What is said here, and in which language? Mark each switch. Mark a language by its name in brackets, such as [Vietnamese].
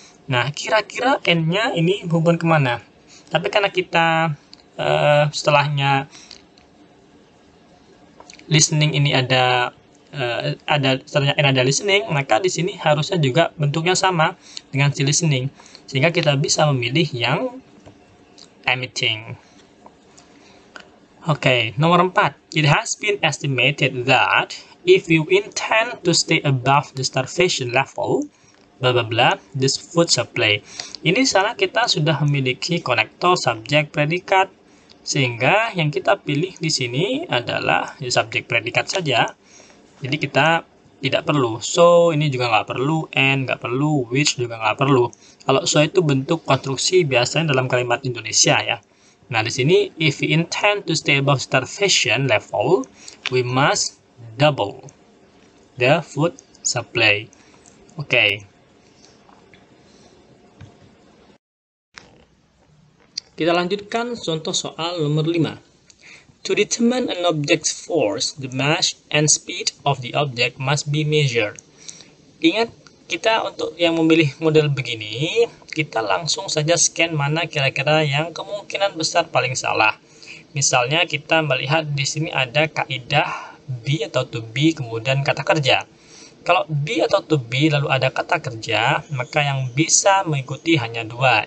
[Indonesian] Nah, kira-kira and-nya ini hubungan kemana? Tapi karena kita setelahnya listening ini ada setelahnya and ada listening, maka di sini harusnya juga bentuknya sama dengan si listening, sehingga kita bisa memilih yang emitting. Okay, nomor 4. [English] It has been estimated that if you intend to stay above the starvation level, blah blah blah, this food supply. [Indonesian] Ini salah, kita sudah memiliki konektor subjek predikat, sehingga yang kita pilih di sini adalah subjek predikat saja. Jadi kita tidak perlu. So ini juga nggak perlu, and nggak perlu, which juga nggak perlu. Kalau so itu bentuk konstruksi biasanya dalam kalimat Indonesia ya. Nah, di sini, [English] if we intend to stay above starvation level, we must double the food supply. Okay. [Indonesian] Kita lanjutkan contoh soal nomor 5. [English] To determine an object's force, the mass and speed of the object must be measured. [Indonesian] Ingat, kita untuk yang memilih model begini, kita langsung saja scan mana kira-kira yang kemungkinan besar paling salah. Misalnya kita melihat di sini ada kaidah be atau to be kemudian kata kerja. Kalau be atau to be lalu ada kata kerja, maka yang bisa mengikuti hanya dua.